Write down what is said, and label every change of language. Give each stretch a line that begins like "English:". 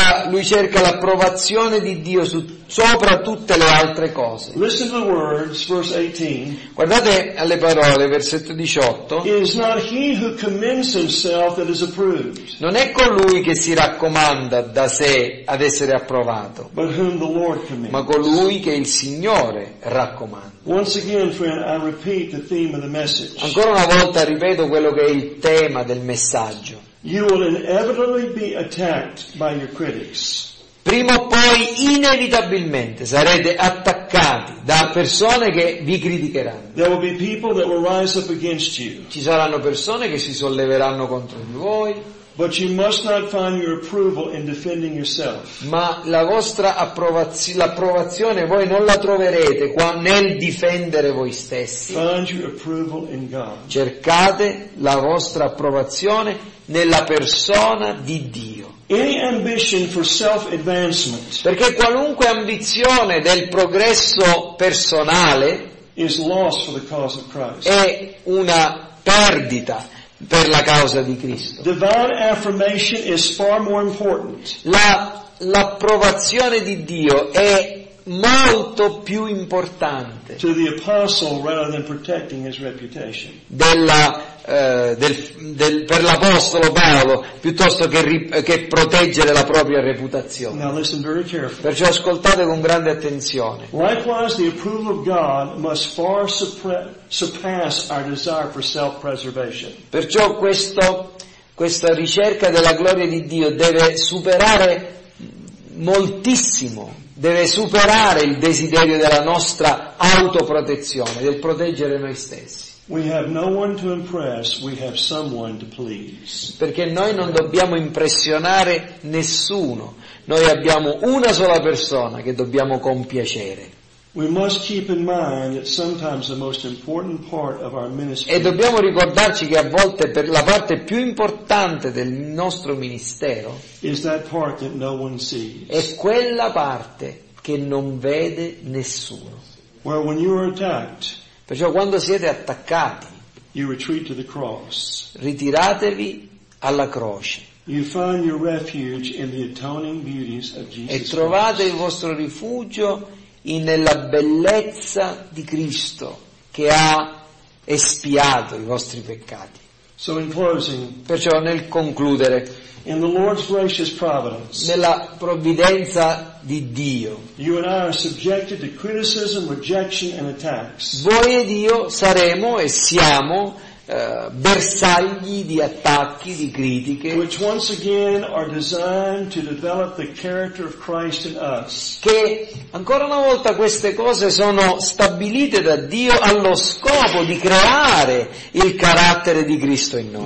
Italian: Lui cerca l'approvazione di Dio sopra tutte le altre cose.
English: Listen to the words, verse 18.
Italian: Guardate alle parole, versetto 18.
English: It is not he who commends himself that is approved.
Italian: Non è colui che si raccomanda da sé ad essere approvato.
English: But whom the Lord commends.
Italian: Ma colui che il Signore raccomanda.
English: Once again, friend, I repeat the theme of the message.
Italian: Ancora una volta ripeto quello che è il tema del messaggio.
English: You will inevitably be attacked by your critics.
Italian: Prima o poi inevitabilmente sarete attaccati da persone che vi criticheranno.
English: There will be people that will rise up against you.
Italian: Ci saranno persone che si solleveranno contro di voi.
English: But you must not find your approval in defending yourself.
Italian: Ma la vostra l'approvazione voi non la troverete qua nel difendere voi stessi.
English: Find your approval in God.
Italian: Cercate la vostra approvazione nella persona di Dio.
English: Any ambition for self-advancement.
Italian: Perché qualunque ambizione del progresso personale
English: is lost for the cause of Christ.
Italian: È una perdita per la causa di Cristo.
English: Divine affirmation is far more important.
Italian: L'approvazione di Dio è molto più importante
English: to the apostle rather than protecting his reputation.
Italian: Per l'apostolo Paolo piuttosto che proteggere la propria reputazione.
English: Now listen very carefully.
Italian: Perciò ascoltate con grande attenzione.
English: Likewise, the approval of God must far surpass our desire for self-preservation.
Italian: Perciò questa ricerca della gloria di Dio deve superare moltissimo. Deve superare il desiderio della nostra autoprotezione, del proteggere noi stessi.
English: We have no one to impress, we have someone to please.
Italian: Perché noi non dobbiamo impressionare nessuno. Noi abbiamo una sola persona che dobbiamo compiacere.
English: We must keep in mind that sometimes the most important part of our ministry.
Italian: E dobbiamo ricordarci che a volte per la parte più importante del nostro ministero
English: is that part that no one sees.
Italian: È quella parte che non vede nessuno.
English: Well, when you are attacked,
Italian: perciò quando siete attaccati,
English: you retreat to the cross.
Italian: Ritiratevi alla croce.
English: You find your refuge in the atoning beauties of Jesus.
Italian: E trovate il vostro rifugio nella bellezza di Cristo che ha espiato i vostri peccati.
English: So in closing,
Italian: perciò nel concludere,
English: in the Lord's gracious providence,
Italian: nella provvidenza di Dio,
English: you and I are subjected to criticism, rejection and attacks.
Italian: Voi ed io saremo e siamo bersagli di attacchi, di critiche,
English: which once again are designed to develop the character of Christ in us.
Italian: Che ancora una volta queste cose sono stabilite da Dio allo scopo di creare il carattere di Cristo in noi.